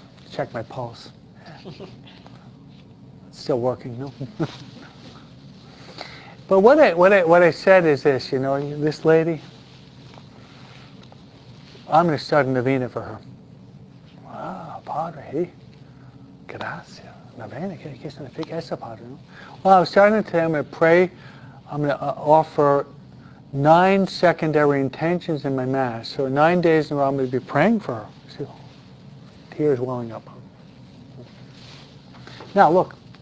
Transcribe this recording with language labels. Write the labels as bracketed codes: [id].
[en] Check my pulse. Still working, no? But what I said is this, you know, this lady, I'm going to start a novena for her. [es] Ah, Padre, hey. Gracias. Novena, ¿qué significa eso, Padre? [en] Well, I'm starting today, I'm going to pray. I'm going to offer 9 secondary intentions in my Mass. So 9 days in a row, I'm going to be praying for her. See, tears welling up. Now, look.